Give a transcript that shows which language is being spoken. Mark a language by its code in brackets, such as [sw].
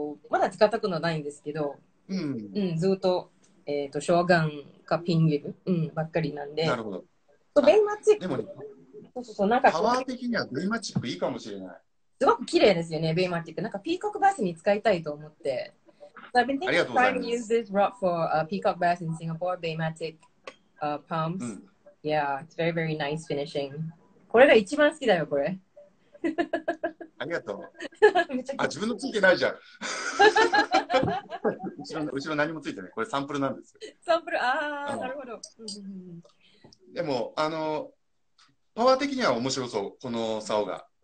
[ja] まだ使ったことないんですけど、うんうん、ずっと、ショアガンかピンゲル、うん、ばっかりなんで。なるほど。とベイマチック、でもね、そうそうそう、なんかパワー的にはベイマチックいいかもしれない。すごく綺麗ですよね、ベイマチック。なんかピーコックバスに使いたいと思って。 [en] So、I've been thinking of trying to use this rod for a peacock bass in Singapore, [ja] ベイマチック pumps.、うん、 [en] yeah, it's very, very nice finishing. [ja] これが一番好きだよ、これ。ありがとう。あ、自分のついてないじゃん。後ろ何もついてない。これサンプルなんですよ。サンプル、ああ、なるほど。でも、あの、パワー的には面白そう、この竿が。